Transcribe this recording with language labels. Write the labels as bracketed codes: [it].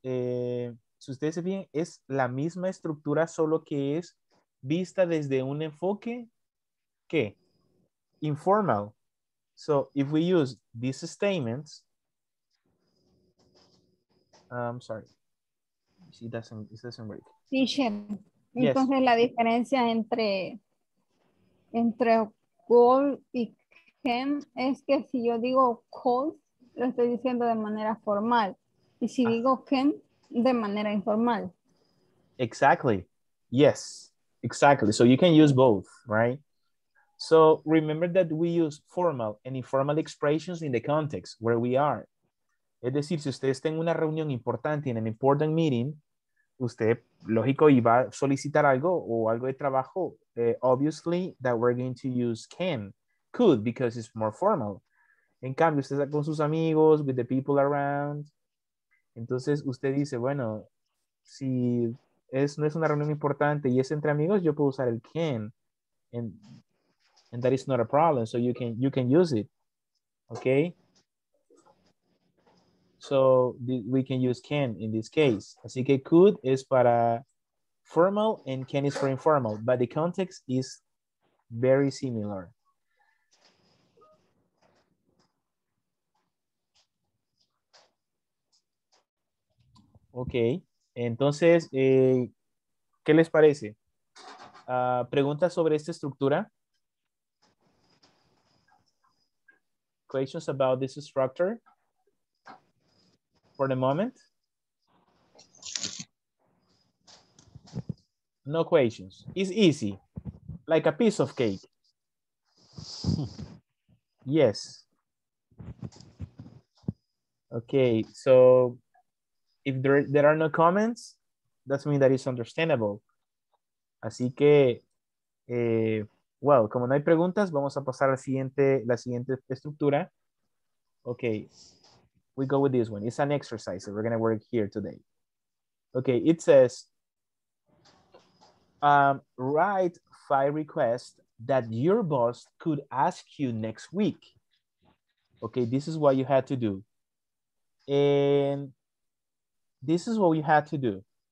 [es] Si ustedes se fijan, es la misma estructura, solo que es vista desde un enfoque, ¿qué? Informal. [en] So if we use these statements, it doesn't work. [es] Teacher, entonces la diferencia entre call y can es que si yo digo call, lo estoy diciendo de manera formal. Y si digo can, de manera informal. [en] Exactly. Yes, exactly. So you can use both, right? So remember that we use formal and informal expressions in the context where we are. [es] Es decir, si usted está en una reunión importante, en [en] an important meeting, [es] usted, lógico, iba a solicitar algo o algo de trabajo. [en] Obviously, that we're going to use can, could, because it's more formal. [es] En cambio, usted está con sus amigos, [en] with the people around. [es] Entonces, usted dice, bueno, si es, no es una reunión importante y es entre amigos, yo puedo usar el can. [en] And that is not a problem, so you can use it, okay? So we can use can in this case. [es] Así que [en] could is para formal and can is for informal, but the context is very similar. [es] Okay, entonces, ¿qué les parece? Pregunta sobre esta estructura. [en] Questions about this structure for the moment? No questions. It's easy, like a piece of cake. Yes. Okay, so if there are no comments, that means that it's understandable. [es] Así que, well, como no hay preguntas, vamos a pasar a la siguiente estructura. [en] Okay, we go with this one. It's an exercise that we're going to work here today. Okay, it says, write 5 requests that your boss could ask you next week. Okay, this is what you had to do. And this is what you had to do.